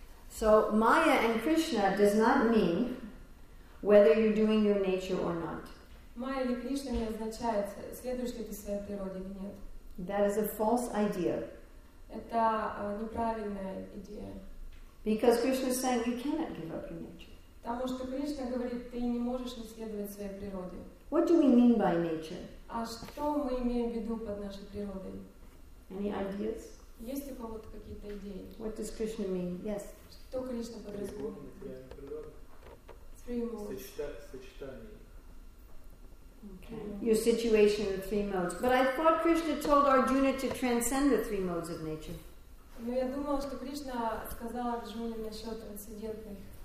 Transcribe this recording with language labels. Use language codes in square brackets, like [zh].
[en] So Maya and Krishna does not mean whether you're doing your nature or not. [ru] Maya или Кришна не означает, следуешь ли ты своей природе или нет. [en] That is a false idea. [ru] Это неправильная идея. [en] Because Krishna is saying you cannot give up your nature. [ru] Потому что Кришна говорит, ты не можешь не следовать своей природе. [en] What do we mean by nature? [ru] А что мы имеем в виду под нашей природой? [en] Any ideas? [ru] Есть ли у кого-то какие-то идеи? [en] What does Krishna mean? Yes. [ru] Что Кришна подразумевает? [en] Three modes. [ru] Сочетание. [en] Okay. Your situation in the three modes. But I thought Krishna told Arjuna to transcend the three modes of nature. [ru] Но я думала, что Кришна сказала Арджуне насчет трансцендентных.